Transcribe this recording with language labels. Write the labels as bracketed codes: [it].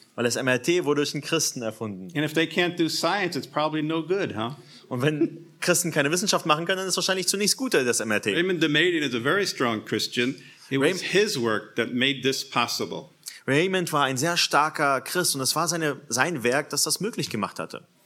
[de] Weil das MRT wurde durch einen Christen erfunden. [en] And if they can't do science, it's probably no good, huh? [de] Und wenn Christen keine Wissenschaft machen können, dann ist wahrscheinlich zu nichts Gutes das MRT. [en] Raymond Damadian is a very strong Christian. It was his work that made this possible. [de] Raymond war ein sehr starker Christ und es war sein Werk, das das möglich gemacht hatte.